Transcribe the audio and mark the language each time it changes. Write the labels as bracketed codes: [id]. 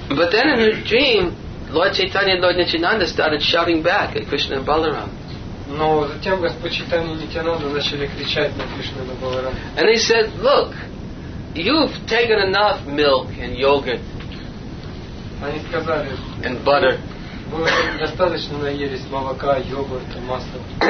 [en] But then in her dream, Lord Chaitanya and Lord Nityananda started shouting back at Krishna and Balaram. [ru] Но затем Господь Чайтанья и Нитьянанда начали кричать на Кришну и на Баларама. [en] And they said, "Look, you've taken enough milk and yogurt [ru] сказали, [en] and butter. [ru] достаточно наелись молока, йогурта, масла.